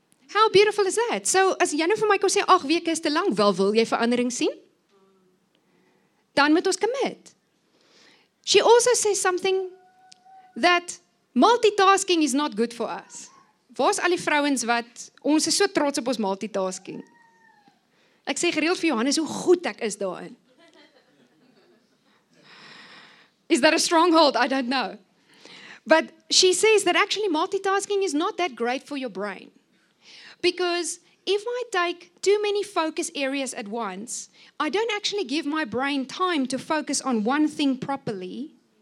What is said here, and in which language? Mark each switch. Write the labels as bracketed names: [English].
[English] How beautiful is that? So as Jennifer Michael said, 8 weeks is [Afrikaans] te lang. Wel, wil jy verandering sien? Dan moet ons commit. [English] She also says something that multitasking is not good for us. [Afrikaans] Waar is al die vrouens wat, ons is so trots op ons multitasking. Ek sê gereeld vir Johannes hoe goed ek is daarin. [English] Is that a stronghold? I don't know. But she says that actually multitasking is not that great for your brain. Because if I take too many focus areas at once, I don't actually give my brain time to focus on one thing properly.